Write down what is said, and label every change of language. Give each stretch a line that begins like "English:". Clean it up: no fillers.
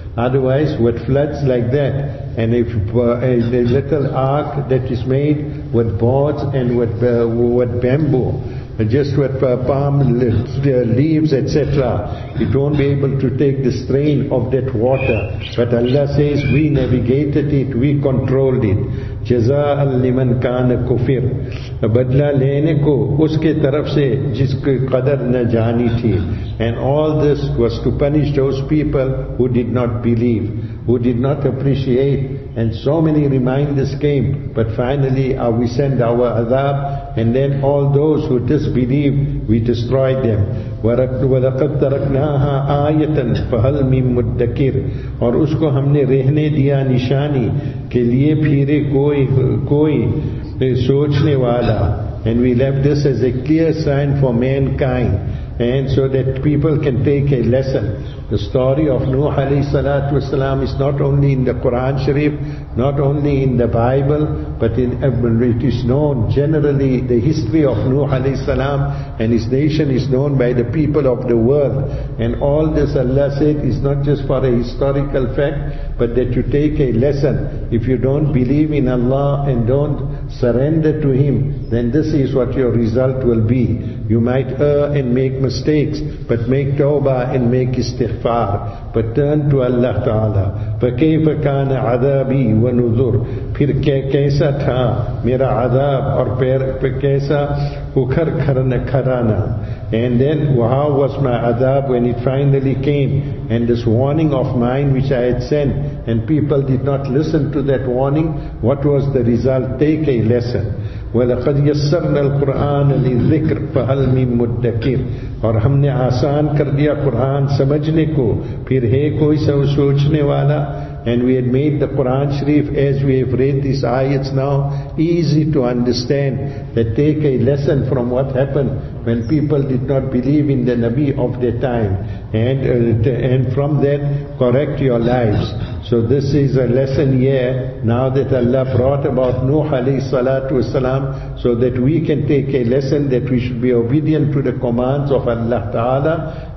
English: Otherwise, with floods like that, and if a little ark that is made with boards and with bamboo, just with palm leaves, etc., you don't be able to take the strain of that water. But Allah says, we navigated it, we controlled it.
Arabic: جَزَاءً لِمَنْ كَانَ كُفِرْ.
Urdu: بدلہ لینے کو اس کے طرف سے جس کی قدر نہ جانی تھی.
English: And all this was to punish those people who did not believe, who did not appreciate. And so many reminders came, but finally we send our adab, and then all those who disbelieve, we destroy them.
Arabic: وَلَقَدْ تَرَكْنَاهَا آيَةً فَهَلْ مِن مُدَّكِرٍ.
Urdu: اور اس کو ہم نے رہنے دیا نشانی کے لیے پھیرے کوئی سوچنے والا.
English: And we left this as a clear sign for mankind, and so that people can take a lesson. The story of Nuh alayhi salatu wasalam is not only in the Quran Sharif, not only in the Bible, but it is known generally. The history of Nuh alayhi salam and his nation is known by the people of the world. And all this Allah said is not just for a historical fact, but that you take a lesson. If you don't believe in Allah and don't surrender to Him, then this is what your result will be. You might err and make mistakes, but make tawbah and make istighfar. But turn to Allah Ta'ala.
Arabic: فَكَيْفَ كَانَ عَذَابِي وَنُذُرِ.
Urdu: پھر کیسا تھا میرا عذاب اور پھر کیسا اُکھر کھرنا Khurrana.
English: And then, how was my adab when it finally came? And this warning of mine which I had sent, and people did not listen to that warning, what was the result? Take a lesson.
Arabic: وَلَقَدْ يَسَّرْنَا الْقُرْآنَ لِذِكْرِ فَهَلْ مِن مُدَّكِرِ.
Urdu: اور ہم نے آسان کر دیا قرآن سمجھنے کو, پھر ہے کوئی سو سوچنے والا.
English: And we had made the Quran Sharif, as we have read these ayats now, easy to understand. That take a lesson from what happened when people did not believe in the Nabi of their time. And from that, correct your lives. So this is a lesson here, now that Allah brought about Nuh alayhi salatu wasalam, so that we can take a lesson that we should be obedient to the commands of Allah Ta'ala.